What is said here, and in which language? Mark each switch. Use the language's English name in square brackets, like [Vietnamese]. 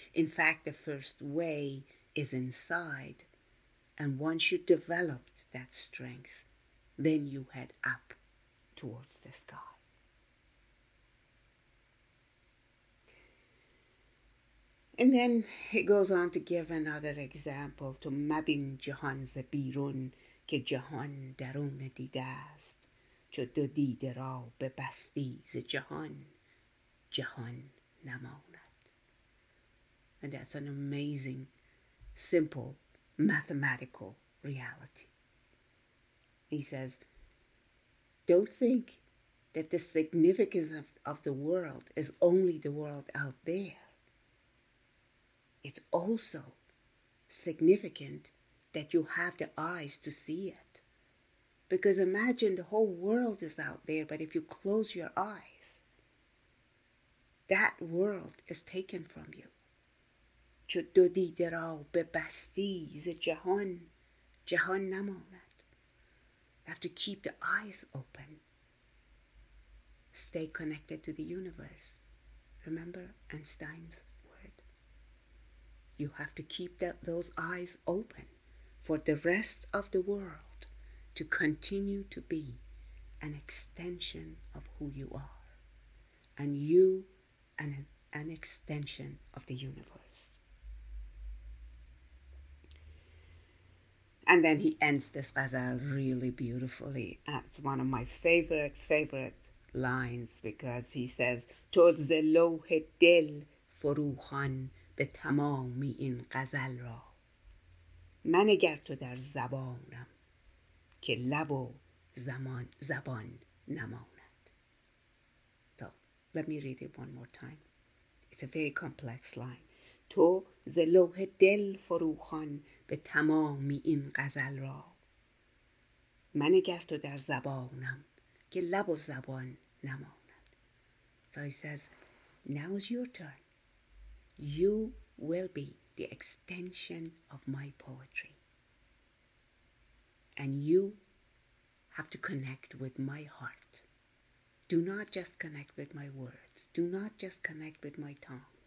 [English] In fact, the first way is inside, and once you developed that strength, then you head up towards the sky. And then he goes on to give another example. [Persian] To مبین جهان ز بیرون که جهان درون دیده است. چو دو دیده را به بستی ز جهان، جهان نماند. [English] And that's an amazing, simple, mathematical reality. He says, don't think that the significance of the world is only the world out there. It's also significant that you have the eyes to see it. Because imagine the whole world is out there, but if you close your eyes, that world is taken from you. [Persian] چو دو دیده را به بستی ز جهان، جهان نماند. [English] You have to keep the eyes open. Stay connected to the universe. Remember Einstein's? You have to keep those eyes open for the rest of the world to continue to be an extension of who you are, and you an extension of the universe. And then he ends this ghazal really beautifully. It's one of my favorite lines, because he says, [Persian] تو ز لوح دل فروخوان به تمامی این غزل را، من اگر تو در زبانم که لب و زبان نماند. [English] So, let me read it one more time. It's a very complex line. [Persian] تو ز لوح دل فروخوان به تمامی این غزل را، من اگر تو در زبانم که لب و زبان نماند. [English] So he says, now is your turn. You will be the extension of my poetry. And you have to connect with my heart. Do not just connect with my words. Do not just connect with my tongue.